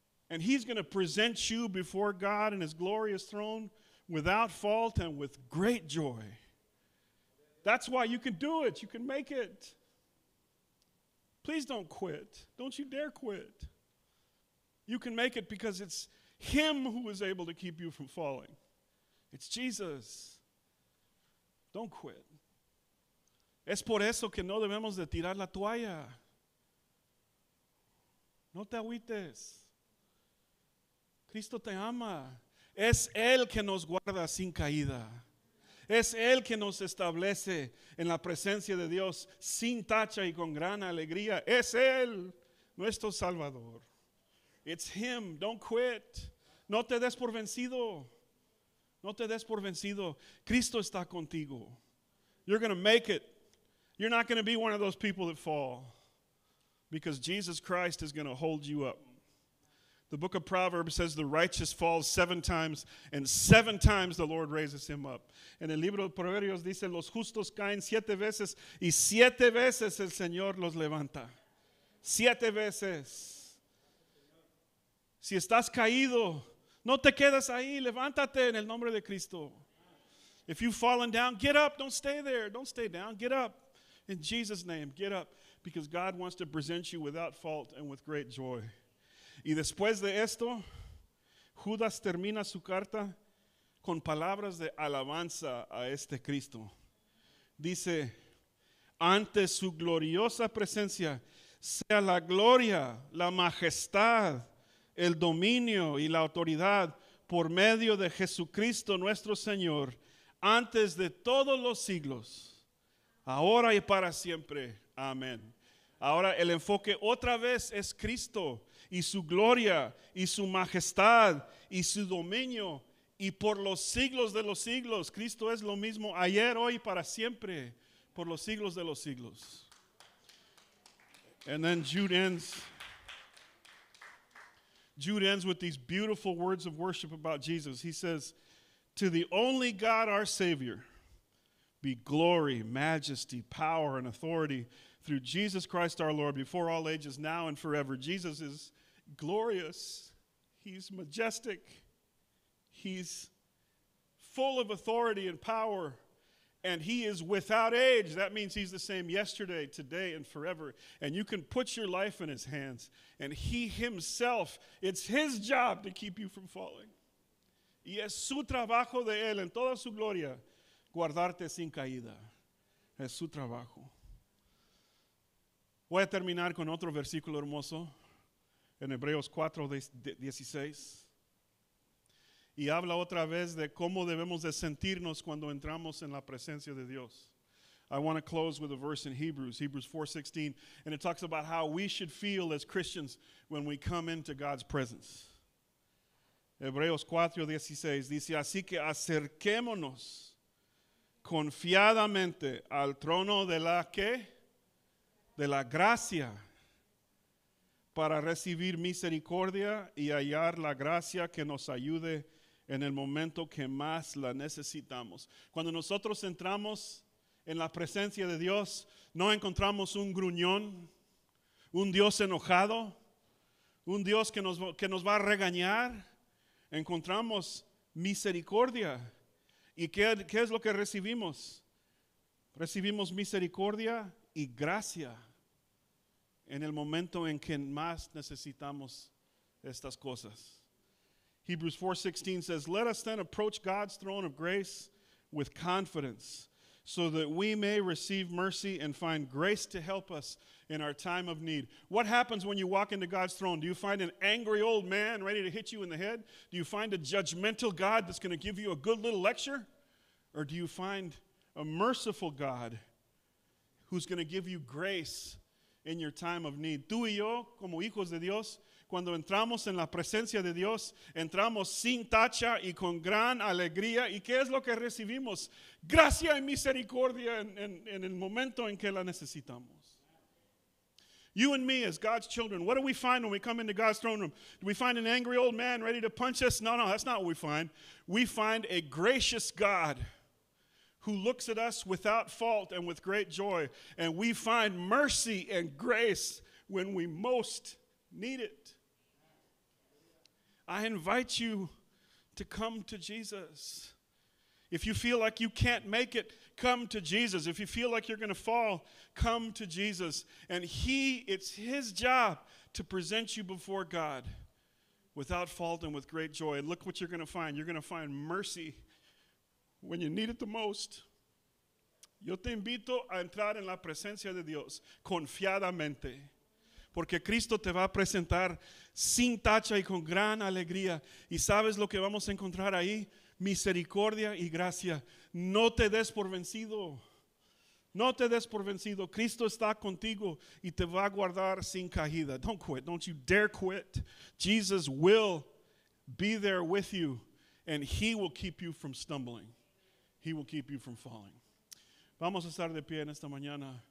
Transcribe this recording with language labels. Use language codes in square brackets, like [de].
[en] And he's going to present you before God in his glorious throne without fault and with great joy. That's why you can do it. You can make it. Please don't quit. Don't you dare quit. You can make it because it's him who is able to keep you from falling. It's Jesus. Don't quit. [es] Es por eso que no debemos de tirar la toalla. No te agüites. Cristo te ama. Es Él que nos guarda sin caída. Es Él que nos establece en la presencia de Dios sin tacha y con gran alegría. Es Él, nuestro Salvador. [en] It's Him. Don't quit. [es] No te des por vencido. No te des por vencido. Cristo está contigo. [en] You're going to make it. You're not going to be one of those people that fall. Because Jesus Christ is going to hold you up. The book of Proverbs says the righteous falls 7 times, and 7 times the Lord raises him up. [es] En el libro de Proverbios dice, los justos caen 7 veces, y 7 veces el Señor los levanta. 7 veces. Si estás caído, no te quedas ahí, levántate en el nombre de Cristo. [en] If you've fallen down, get up, don't stay there, don't stay down, get up. In Jesus' name, get up, because God wants to present you without fault and with great joy. [es] Y después de esto, Judas termina su carta con palabras de alabanza a este Cristo. Dice, ante su gloriosa presencia, sea la gloria, la majestad, el dominio y la autoridad por medio de Jesucristo nuestro Señor, antes de todos los siglos, ahora y para siempre. Amén. Ahora el enfoque otra vez es Cristo. Y su gloria, y su majestad, y su dominio, y por los siglos de los siglos. Cristo es lo mismo ayer, hoy, para siempre, por los siglos de los siglos. [en] And then Jude ends with these beautiful words of worship about Jesus. He says, to the only God, our Savior, be glory, majesty, power, and authority through Jesus Christ our Lord, before all ages, now and forever. Jesus is glorious, he's majestic, he's full of authority and power, and he is without age. That means he's the same yesterday, today, and forever. And you can put your life in his hands, and he himself, it's his job to keep you from falling. [es] Y es su trabajo de él, en toda su gloria, guardarte sin caída. Es su trabajo. Voy a terminar con otro versículo hermoso. En Hebreos 4:16. Y habla otra vez de cómo debemos de sentirnos cuando entramos en la presencia de Dios. [en] I want to close with a verse in Hebrews 4:16. And it talks about how we should feel as Christians when we come into God's presence. [es] Hebreos 4:16 dice, así que acerquémonos confiadamente al trono de la ¿qué? De la gracia. Para recibir misericordia y hallar la gracia que nos ayude en el momento que más la necesitamos. Cuando nosotros entramos en la presencia de Dios, no encontramos un gruñón, un Dios enojado, un Dios que nos va a regañar, encontramos misericordia. ¿Y qué es lo que recibimos? Recibimos misericordia y gracia en el momento en que más necesitamos estas cosas. [en] Hebrews 4:16 says, "Let us then approach God's throne of grace with confidence, so that we may receive mercy and find grace to help us in our time of need." What happens when you walk into God's throne? Do you find an angry old man ready to hit you in the head? Do you find a judgmental God that's going to give you a good little lecture? Or do you find a merciful God who's going to give you grace in your time of need? [es] Tú y yo, como hijos de Dios, cuando entramos en la presencia de Dios, entramos sin tacha y con gran alegría. ¿Y qué es lo que recibimos? Gracia y misericordia en el momento en que la necesitamos. [en] You and me as God's children, what do we find when we come into God's throne room? Do we find an angry old man ready to punch us? No, no, that's not what we find. We find a gracious God who looks at us without fault and with great joy. And we find mercy and grace when we most need it. I invite you to come to Jesus. If you feel like you can't make it, come to Jesus. If you feel like you're going to fall, come to Jesus. And it's his job to present you before God without fault and with great joy. And look what you're going to find. You're going to find mercy when you need it the most. [es] Yo te invito a entrar en la presencia de Dios confiadamente. Porque Cristo te va a presentar sin tacha y con gran alegría. ¿Y sabes lo que vamos a encontrar ahí? Misericordia y gracia. No te des por vencido. No te des por vencido. Cristo está contigo y te va a guardar sin caída. [en] Don't quit. Don't you dare quit. Jesus will be there with you, and he will keep you from stumbling. He will keep you from falling. [es] Vamos a estar de pie en esta mañana.